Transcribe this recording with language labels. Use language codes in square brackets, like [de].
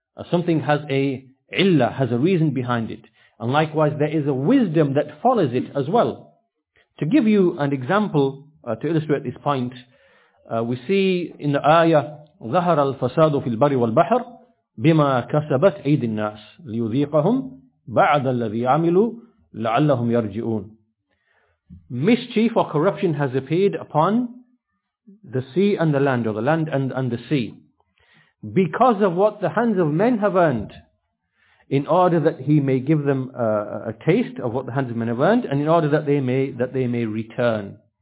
[en] Something has a illah, has a reason behind it. And likewise, there is a wisdom that follows it as well. To give you an example, to illustrate this point, we see in the ayah, [ar] ظَهَرَ الْفَسَادُ فِي الْبَرِّ وَالْبَحْرِ بِمَا كَسَبَتْ عَيْدِ النَّاسِ لِيُذِيقَهُمْ بَعْدَ الَّذِي عَمِلُوا لَعَلَّهُمْ يَرْجِعُونَ. [en] Mischief or corruption has appeared upon the sea and the land, or the land and the sea, because of what the hands of men have earned, in order that he may give them a taste of what the hands of men have earned, and in order that they may return.